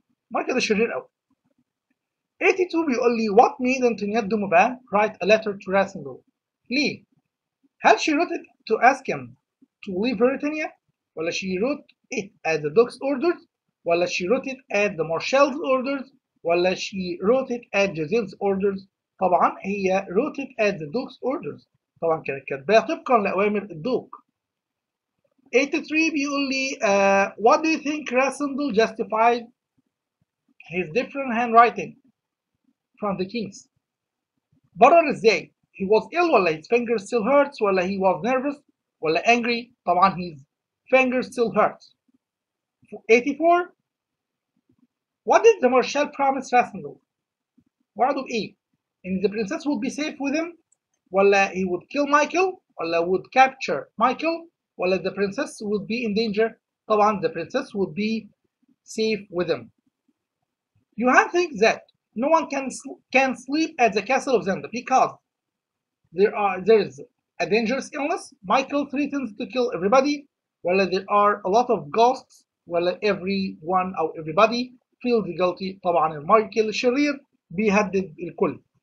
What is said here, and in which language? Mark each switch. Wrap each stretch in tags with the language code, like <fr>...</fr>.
<ar>مايكل ده شرير قوي.</ar> <en>82</en> <ar>بيقول لي</ar> <en>what made Antoinette de Mauban write a letter to Rassendyll؟</en> <ar>ليه؟ هل</ar> <en>she wrote it to ask him to leave Britannia؟</en> <ar>ولا</ar> <en>she wrote it at the Duke's orders؟ ولا she wrote it at the Marshal's orders؟ ولا she wrote it at Jezil's orders؟</en> <ar>طبعا هي</ar> <en>wrote it at the Duke's orders.</en> <ar>طبعا كانت كاتباها طبقا لأوامر الدوق.</ar> <en>83</en> <ar>بيقول لي</ar> <en>what do you think Rassendyll justified his different handwriting from the king's؟</en> <ar>برر ازاي؟</ar> <en>he was ill</en> <ar>ولا</ar> <en>his fingers still hurts ولا he was nervous ولا angry؟</en> <ar>طبعا</ar> <en>his fingers still hurts. 84 what did the Marshal promise Rassendyll؟</en> <ar>وعده بإيه؟ إن</ar> <en>the princess would be safe with him</en> <ar>ولا</ar> <en>he would kill Michael ولا would capture Michael ولا the princess would be in danger؟</en> <ar>طبعا</ar> <en>the princess would be safe with him. You have to think that no one can sleep at the castle of Zenda because there is a dangerous illness, Michael threatens to kill everybody,</en> <ar>ولا</ar> <en>there are a lot of ghosts, ولا everyone or everybody feels guilty.</en> <ar>طبعا مايكل شرير بيهدد الكل.</ar>